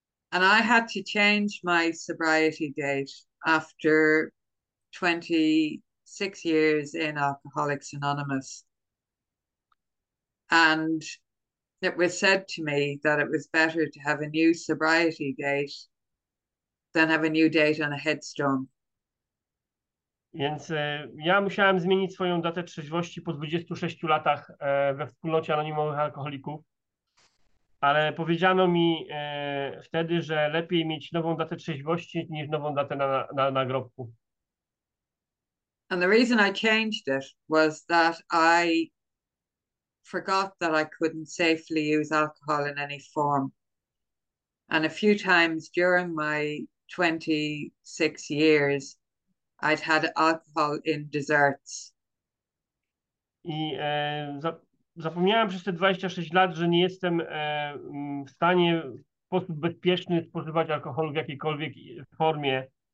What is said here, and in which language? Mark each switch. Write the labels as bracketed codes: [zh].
[en] And I had to change my sobriety date after 26 years in Alcoholics Anonymous. And it was said to me that it was better to have a new sobriety date than have a new date on a headstone. [pl] Więc ja musiałem zmienić swoją datę trzeźwości po 26 latach we wspólnocie anonimowych alkoholików, ale powiedziano mi wtedy, że lepiej mieć nową datę trzeźwości niż nową datę na nagrobku. [en] And the reason I changed it was that I forgot that I couldn't safely use alcohol in any form. And a few times during my 26 years, I'd had alcohol in desserts. [pl] I zapomniałem przez te 26 lat, że nie jestem w stanie sposób bezpieczny spożywać alkoholu w jakiejkolwiek formie.